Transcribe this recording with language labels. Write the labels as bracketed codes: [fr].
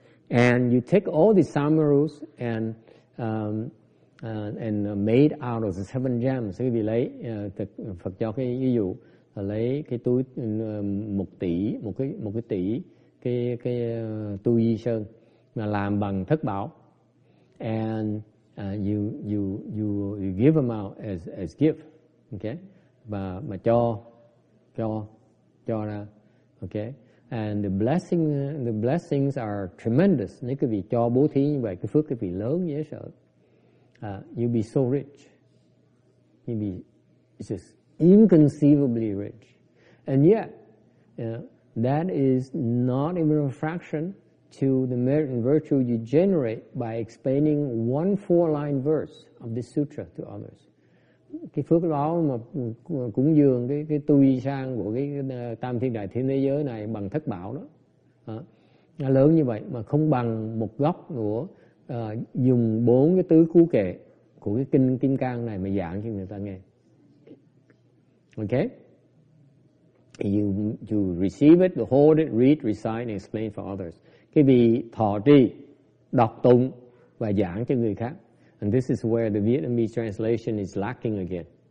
[en] And you take all the Sumerus and made out of the 7 gems. [vi] Thì lấy Phật cho cái ví dụ, lấy cái túi 1 tỷ, một cái tỷ cái tu di sơn mà làm bằng thất bảo, [en] and you give them out as gift, [vi] okay, mà cho ra, okay, [en] and the blessings are tremendous. [vi] Nếu cái vị cho bố thí như vậy, cái phước cái vị lớn dễ sợ. [en] You be so rich, you be just inconceivably rich, and yet that is not even a fraction to the merit and virtue you generate by explaining 1 4-line verse of this sutra to others. [vi] Cái phước đó mà cúng dường cái tu di sang của cái tam thiên đại thiên thế giới này bằng thất bảo đó, nó lớn như vậy mà không bằng một góc của dùng 4 cái tứ cú kệ của cái kinh Kim Cang này mà giảng cho người ta nghe. [en] Okay, you receive it, you hold it, read, recite, and explain for others. [vi] Cái vị thọ trì, đọc tụng và giảng cho người khác. [en] And this is where the Vietnamese translation is lacking again.